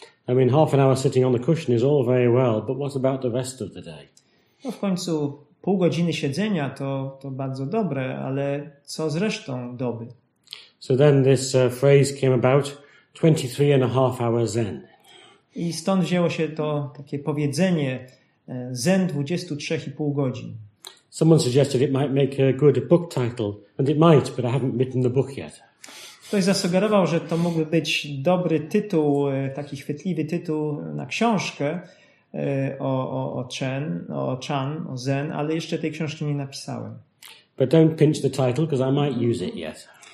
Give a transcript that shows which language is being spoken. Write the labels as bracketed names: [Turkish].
[English] I mean, half an hour sitting on the cushion is all very well, but what about the rest of the day? [Polish] W końcu pół godziny siedzenia to bardzo dobre, ale co z resztą doby? [English] So then this phrase came about, 23.5 hour zen. [Polish] I stąd wzięło się to takie powiedzenie: zen 23,5 godzin. [English] Someone suggested it might make a good book title, and it might, but I haven't written the book yet. [Polish] Ktoś zasugerował, że to mógłby być dobry tytuł, taki chwytliwy tytuł na książkę, o zen, ale jeszcze tej książki nie napisałem. [English] But don't pinch the title, because I might use it yet.